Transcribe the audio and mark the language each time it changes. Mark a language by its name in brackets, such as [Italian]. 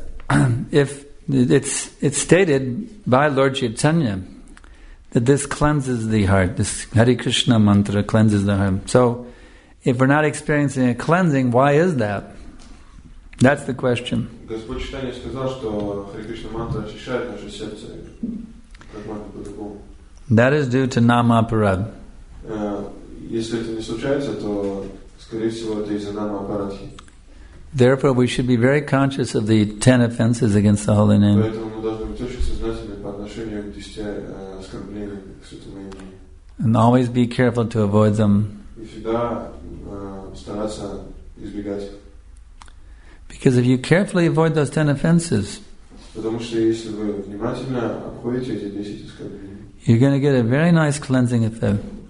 [English] it's stated by Lord Chaitanya that this cleanses the heart. This Hare Krishna mantra cleanses the heart. So, if we're not experiencing a cleansing, why is that? That's the question. [Russian] Господь Читание сказал, что Хари Кришна мантра очищает наше сердце. Как можно по-другому? [English] That is due to Namaparad. [Russian] Если это не случается, то, скорее всего, это из-за Namaparadhi. [English] Therefore, we should be very conscious of the 10 offenses against the Holy Name. [Russian] Поэтому мы должны быть очень сознательны по отношению к 10 оскорблениям к Святому Имени. [English] And always be careful to avoid them. [Russian] И всегда стараться избегать их. [English] Because if you carefully avoid those 10 offenses, you're going to get a very nice cleansing effect.